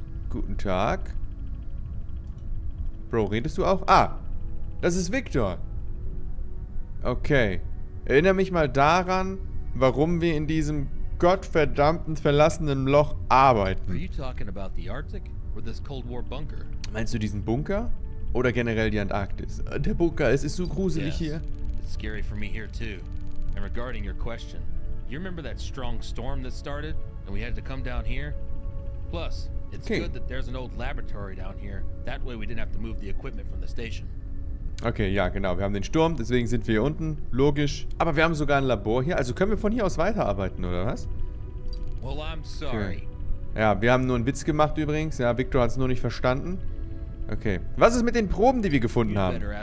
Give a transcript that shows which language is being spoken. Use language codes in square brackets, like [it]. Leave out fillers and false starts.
[de] Guten Tag. Bro, redest du auch? Ah, das ist Victor. Okay. Erinnere mich mal daran, warum wir in diesem gottverdammten verlassenen Loch arbeiten. [en] Are you talking about the Arctic or this Cold War bunker? [de] Meinst du diesen Bunker? Oder generell die Antarktis? Der Bunker, es ist so gruselig hier. [en] Yes, it's scary for me here too. And regarding your question, you remember that strong storm that started and we had to come down here? Plus, it's good that there's an old laboratory down here. That way we didn't have to move the equipment from the station. [de] Okay, ja, genau. Wir haben den Sturm, deswegen sind wir hier unten. Logisch. Aber wir haben sogar ein Labor hier. Also können wir von hier aus weiterarbeiten, oder was? [en] Well, I'm sorry. [de] Ja, wir haben nur einen Witz gemacht übrigens. Ja, Victor hat es nur nicht verstanden. Okay. Was ist mit den Proben, die wir gefunden haben?